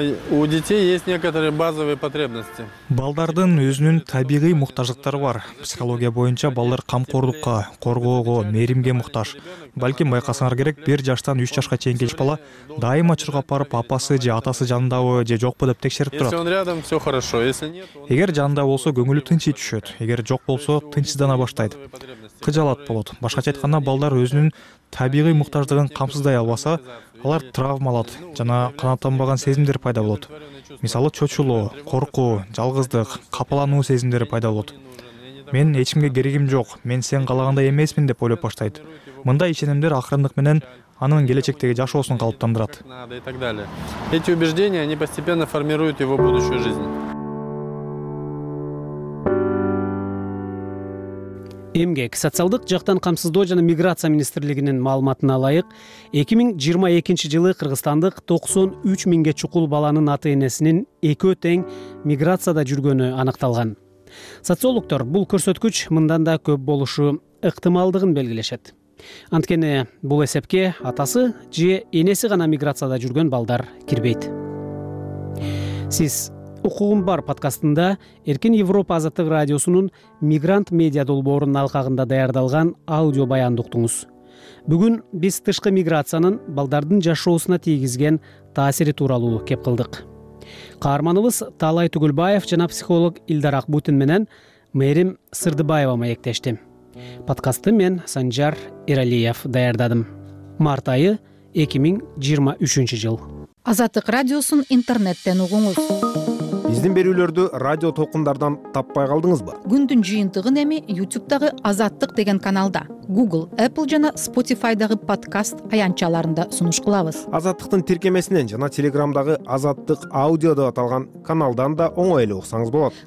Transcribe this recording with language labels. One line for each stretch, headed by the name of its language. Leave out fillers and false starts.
Russian: У детей есть некоторые базовые потребности.
Kyrgyz: Балдардын өзүнүн табигый муктаждыктары бар. Психология боюнча балдар камкордукка, коргоого, мээримге муктаж. Балким байкасаңар керек, 1 жаштан 3 жашка чейин келиш бала дайыма чырга барып апасы же атасы жанындабы же жокпу деп текшерип турат.
Russian: Если он рядом, все хорошо. Если нет,
Kyrgyz: эгер жанында болсо көңүлү тынчы түшөт. Эгер жок болсо тынчсыздана баштайт. Кыжалат болот. Башкача айтканда балдар өзүнүн табигый муктаждыгын камсыздай албаса, алар травма алат жана канааттанбаган сезимдер пайда болот. Мисалы чочулоо, коркуу, жалгыздык, капалануу сезимдери пайда болот. Мен эч кимге керегим жок, мен сен каалагандай эмесмин деп ойлоп баштайт. Мындай ишенимдер акырындык менен анын келечектеги жашоосун калыптандырат.
Russian: Эти убеждения они постепенно формируют его будущую жизнь.
Kyrgyz: Эмгек, социалдык жактан камсыздоо жана миграция министрлигинин маалыматына ылайык, 2022 жылы кыргызстандык 93 миңге чукул баланын ата энесинин экөө тең миграцияда жүргөнү аныкталган. Социологдор бул көрсөткүч мындан да көп болушу ыктымалдыгын белгилешет. Анткени бул эсепке атасы же энеси гана миграцияда жүргөн балдар кирбейт. Сиз Укугум бар подкастында Эркин Европа Азаттык радиосунун мигрант медиа долбоорунун алкагында даярдалган аудио баянды уктуңуз. Бүгүн биз тышкы миграциянын балдардын жашоосуна тийгизген таасири тууралуу кеп кылдык. Каарманыбыз Талай Түгөлбаев жана психолог Илдар Акбутин менен Мэрим Сырдыбаева маектешти. Подкастты мен Санжар Иралиев даярдадым. Март айы 2023 жыл. Азаттык радиосун интернеттен угуңуз. Биздин берүүлөрдү радио толкундардан таппай калдыңызбы? Күндүн жыйынтыгын эми YouTube-дагы Азаттык деген каналда, Google, Apple жана Spotify-дагы подкаст аянтчаларында сунуш кылабыз. Азаттыктын тиркемесинен жана Telegram-дагы Азаттык аудио деп аталган каналдан да оңой эле уксаңыз болот.